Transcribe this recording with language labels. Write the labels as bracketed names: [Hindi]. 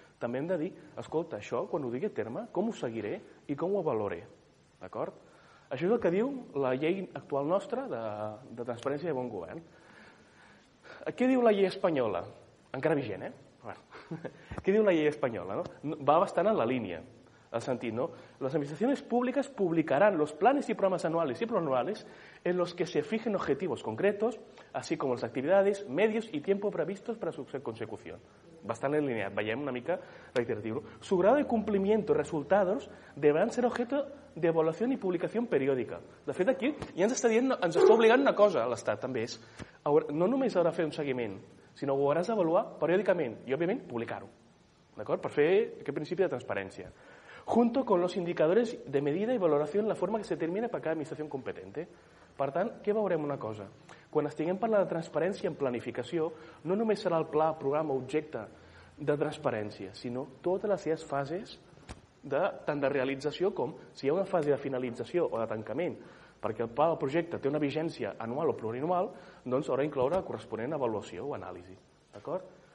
[Catalan] També hem de dir, escolta, això, quan ho digui a terme, com ho seguiré i com ho avaloré? D'acord? Això és el que diu la llei actual nostra de transparència i de bon govern. Què diu la llei espanyola? Encara vigent, eh? Què diu la llei espanyola? No? Va bastant en la línia, el sentit, no? Les administracions públiques publicaran [Spanish] los planes y programas anuales y plurianuales en los que se fijen objetivos concretos, así como las actividades, medios y tiempo previstos para su consecución. [Catalan] Bastant en línia, veiem una mica reiteratiu. [Spanish] Su grado de cumplimiento y resultados deberán ser objeto de evaluación y publicación periódica. [Catalan] De fet, aquí ja ens està dient, ens està obligant una cosa, l'Estat també és, no només haurà de fer un seguiment, sinó ho hauràs d'avaluar periòdicament i, òbviament, publicar-ho, d'acord? Per fer aquest principi de transparència. [Spanish] Junto con los indicadores de medida y valoración en la forma que se termine para cada administración competente. [Catalan] Per tant, què veurem una cosa? Quan estiguem parlant de transparència en planificació, no només serà el pla, programa, objecte de transparència, sinó totes les seves fases, de, tant de realització com si hi ha una fase de finalització o de tancament, perquè el pla del projecte té una vigència anual o plurianual, doncs haurà d'incloure la corresponent avaluació o anàlisi. D'acord?